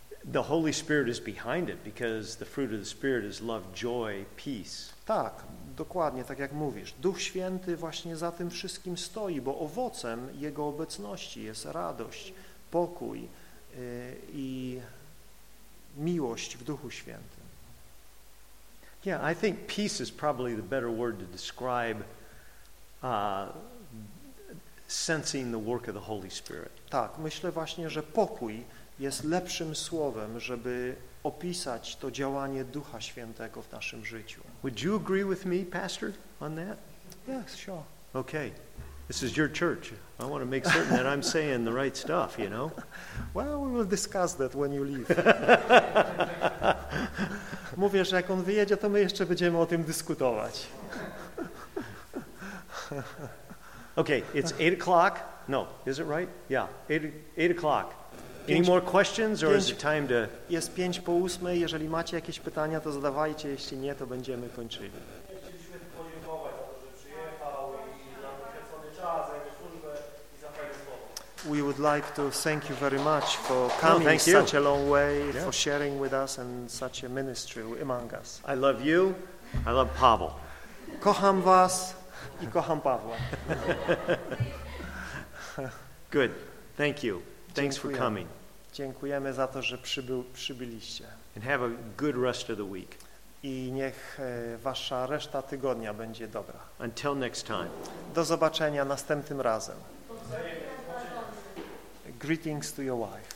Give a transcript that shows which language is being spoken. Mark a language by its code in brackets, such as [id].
[en] The Holy Spirit is behind it because the fruit of the Spirit is love, joy, peace. [pl] Tak, dokładnie, tak jak mówisz. Duch Święty właśnie za tym wszystkim stoi, bo owocem Jego obecności jest radość, pokój i miłość w Duchu Świętym. [en] Yeah, I think peace is probably the better word to describe sensing the work of the Holy Spirit. [pl] Tak, myślę właśnie, że pokój jest lepszym słowem, żeby opisać to działanie Ducha Świętego w naszym życiu. [en] Would you agree with me, Pastor, on that? Yes, sure. Okay. This is your church. I want to make certain that I'm saying the right stuff, you know? Well, we will discuss that when you leave. [pl] Mówię, że jak on wyjedzie, to my jeszcze będziemy o tym dyskutować. [en] Okay, it's 8 o'clock. No, is it right? Yeah, 8 o'clock. Any more questions, or is it time to... [pl] Jest 5 po 8, jeżeli macie jakieś pytania, to zadawajcie, jeśli nie, to będziemy kończyli. Chcieliśmy podziękować za to, że przyjechał i za poświęcony czas, za jego służbę i za fajne słowo. [en] We would like to thank you very much for coming such a long way, yeah. For sharing with us and such a ministry among us. I love you, I love Pavel. [pl] Kocham was i kocham Pawła. [en] Good, thank you. Thanks for coming. [pl] Dziękujemy za to, że przybyliście. [en] And have a good rest of the week. [pl] I niech wasza reszta tygodnia będzie dobra. [en] Until next time. [pl] Do zobaczenia następnym razem. [en] Greetings to your wife.